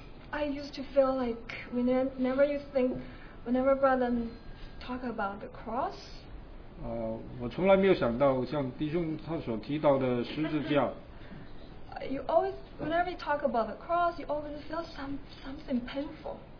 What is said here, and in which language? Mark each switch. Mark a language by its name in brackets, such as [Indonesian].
[English] I used to feel like whenever brother talk about the cross. [Chinese] 我从来没有想到像弟兄他所提到的十字架。 [English] You always, whenever you talk about the cross, you always feel something painful.